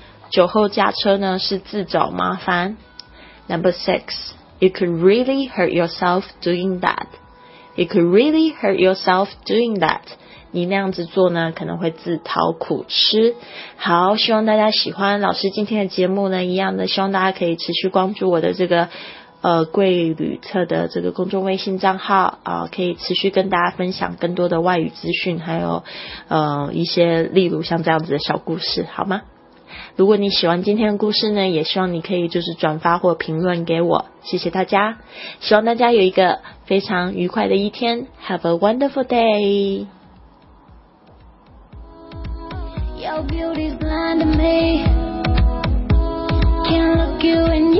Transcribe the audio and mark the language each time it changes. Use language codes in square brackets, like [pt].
[zh] 酒后驾车呢是自找麻烦。 [en] Number six, You could really hurt yourself doing that. You could really hurt yourself doing that. [zh] 你那样子做呢，可能会自讨苦吃。好，希望大家喜欢老师今天的节目呢，一样的，希望大家可以持续关注我的这个贵旅特的这个公众微信账号，可以持续跟大家分享更多的外语资讯，还有一些例如像这样子的小故事，好吗？如果你喜欢今天的故事呢，也希望你可以就是转发或评论给我，谢谢大家，希望大家有一个非常愉快的一天， [en] Have a wonderful day. Your beauty's blinding me. Can't look you in